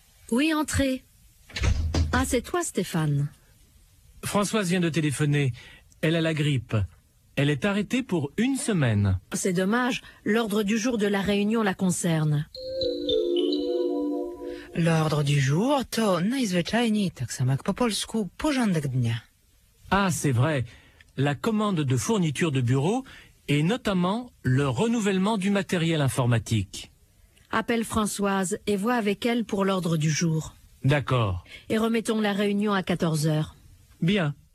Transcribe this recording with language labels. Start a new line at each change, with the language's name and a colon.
French: Oui, entrez. Ah, c'est toi, Stéphane. Françoise vient de téléphoner. Elle a la grippe. Elle est arrêtée pour une semaine. C'est dommage. L'ordre du jour de la réunion la concerne.
Polish: L'ordre du jour, to najzwyczajniej tak samo jak po polsku, porządek dnia.
French: Ah, c'est vrai. La commande de fourniture de bureau et notamment le renouvellement du matériel informatique. Appelle Françoise et vois avec elle pour l'ordre du jour. D'accord. Et remettons la réunion à 14 heures. Bien.